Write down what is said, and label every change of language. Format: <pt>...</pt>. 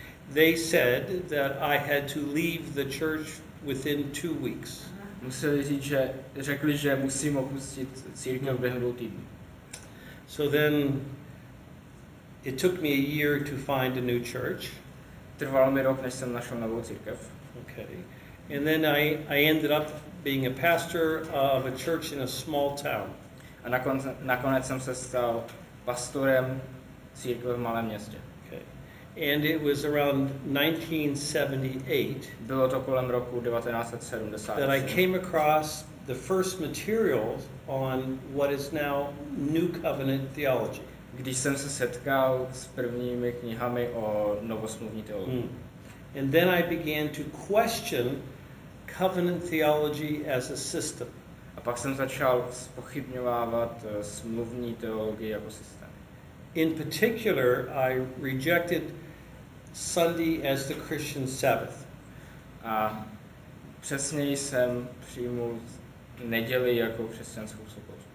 <en>They said that I had to leave the church within 2 weeks.</en> <cs>Museli říct, že řekli, že musím opustit církev během 2 týdnů.</cs> <en>So then it took me a year to find a new church.</en> <cs>Trvalo mi rok, než jsem našel novou církev.</cs> <en>Okay. And then I ended up being a pastor of a church in a small town.</en> <cs>A nakonec jsem se stal pastorem církve v malém městě.</cs> <en>Okay. And it was around 1978.</en> <cs>Bylo to kolem roku 1978.</cs> <en>That I came across the first materials on what is now New Covenant theology.</en> <cs>Když jsem se setkal s prvními knihami o novosmluvní teologii. Mm.</cs> <en>And then I began to question covenant theology as a system.</en> <cs>A pak jsem začal spochybňovávat smluvní teologii jako systém.</cs> <en>In particular, I rejected Sunday as the Christian Sabbath.</en> <cs>A přesněji jsem přijmul neděli jako křesťanskou sobotu.</cs>